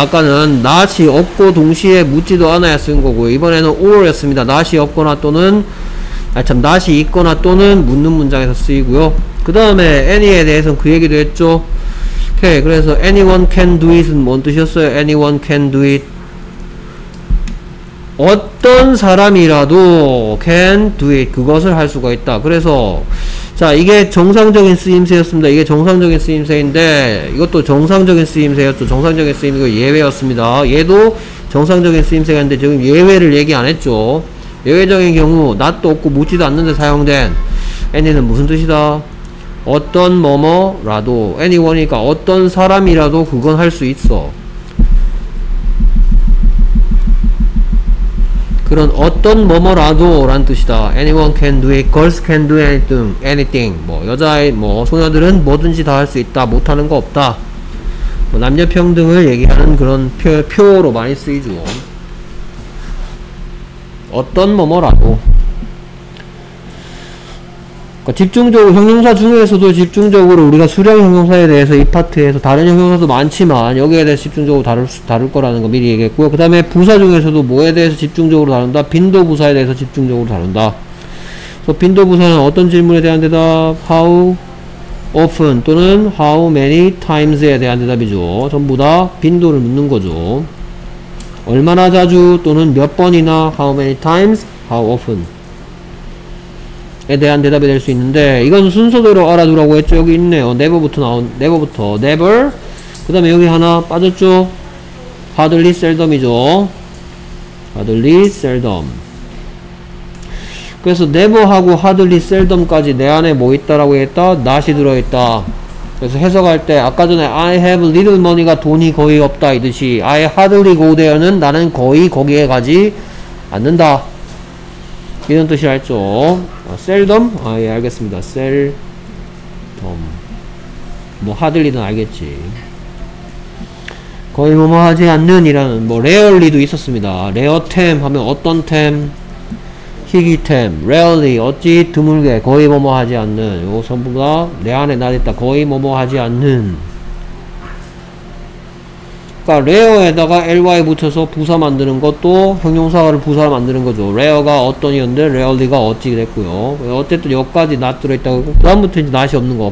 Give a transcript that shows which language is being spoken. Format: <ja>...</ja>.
<ko>아까는 not이 없고 동시에 묻지도 않아야 쓴 거고요. 이번에는 or였습니다. not이 없거나 또는 not이 있거나 또는 묻는 문장에서 쓰이고요. 그 다음에 any에 대해서는 그 얘기도 했죠. 오케이, 그래서</ko> <en>anyone can do it</en> <ko>은 뭔 뜻이었어요?</ko> <en>anyone can do it.</en> <ko>어떤 사람이라도</ko> <en>can do it.</en> <ko>그것을 할 수가 있다. 그래서 자, 이게 정상적인 쓰임새였습니다. 이게 정상적인 쓰임새인데 이것도 정상적인 쓰임새였죠. 정상적인 쓰임새가 예외였습니다. 얘도 정상적인 쓰임새가 있는데 지금 예외를 얘기 안 했죠. 예외적인 경우 not도 없고 묻지도 않는데 사용된 any는 무슨 뜻이다? 어떤 뭐뭐라도, anyone이니까 어떤 사람이라도 그건 할 수 있어. 그런 어떤 뭐뭐라도 라는 뜻이다.</ko> <en>anyone can do it, girls can do anything, anything.</en> <ko>뭐 여자의 뭐 소녀들은 뭐든지 다 할 수 있다, 못하는 거 없다. 뭐 남녀평등을 얘기하는 그런 표어로 많이 쓰이죠. 어떤 뭐뭐라도. 그러니까 집중적으로 형용사 중에서도 집중적으로 우리가 수령 형용사에 대해서 이 파트에서 다른 형용사도 많지만 여기에 대해서 집중적으로 다룰 거라는 거 미리 얘기했고요. 그 다음에 부사 중에서도 뭐에 대해서 집중적으로 다룬다? 빈도 부사에 대해서 집중적으로 다룬다. 그래서 빈도 부사는 어떤 질문에 대한 대답?</ko> <en>How often 또는 How many times에 대한 대답이죠.</en> <ko>전부 다 빈도를 묻는 거죠. 얼마나 자주 또는 몇 번이나 How many times?</ko> <en>How often?</en> <ko>에 대한 대답이 될 수 있는데 이건 순서대로 알아두라고 했죠. 여기 있네요. never부터 나온 never부터 never 그 다음에 여기 하나 빠졌죠.</ko> <en>hardly seldom이죠. hardly seldom.</en> <ko>그래서 never하고 hardly seldom까지 내 안에 뭐 있다라고 했다? not이 들어있다. 그래서 해석할 때 아까 전에</ko> <en>I have little money</en> <ko>가 돈이 거의 없다 이듯이</ko> <en>I hardly go there</en> <ko>는 나는 거의 거기에 가지 않는다 이런 뜻이 알죠. 아, seldom? 아, 예, 알겠습니다. seldom. 뭐, hardly든 알겠지. 거의 뭐뭐 하지 않는 이라는, 뭐, rarely도 있었습니다.</ko> <en>rare time 하면 어떤 time?</en> <ko>희귀 time. rarely, 어찌 드물게, 거의 뭐뭐 하지 않는. 요 전부 다 내 안에 나댔다. 거의 뭐뭐 하지 않는. 그러니까 rare에다가 ly 붙여서 부사 만드는 것도 형용사를 부사로 만드는 거죠. rare가 어떤이었는데 rarely가 어찌 됐고요. 어쨌든 여기까지 not 들어있다고 그 다음부터 이제 not이 없는 거.</ko>